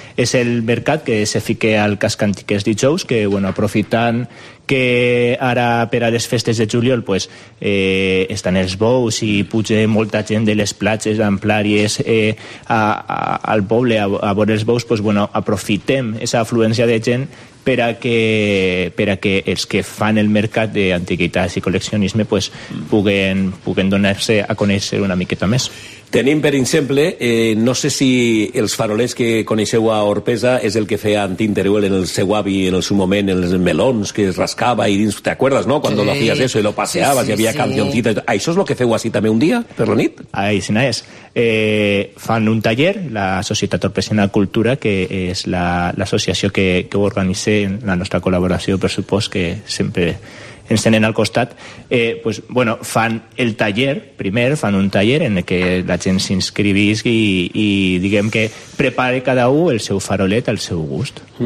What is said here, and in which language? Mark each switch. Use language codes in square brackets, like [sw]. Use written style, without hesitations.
[ca] És el mercat que se fica al casc antic els dijous, que, bueno, aprofitant que ara per a les festes de juliol pues, estan els bous i puja molta gent de les platges d'Amplàries al poble a veure els bous, pues, bueno, aprofitem aquesta afluència de gent per a que els que fan el mercat d'antiguitats i col·leccionisme pues, puguen donar-se a conèixer una miqueta més. Tenim, per exemple, no sé si els farolers que coneixeu a Orpesa és el que feia Antín Teruel en el seu avi en el seu moment, en els melons que es rascava i dins, t'acuerdes, no? [es] Quan lo hacías eso y lo paseabas, sí, sí, y había cancioncitas. [ca] Això és el que feu així també un dia, per la nit? Ahí, si no és. Fan un taller, la Societat Orpesiana Cultura, que és l'associació que ho organitza, la nostra col·laboració, per supost, que sempre ens tenen al costat, pues, bueno, fan el taller, primer fan un taller en el que la gent s'inscrivís i diguem que prepare cada un el seu farolet al seu gust.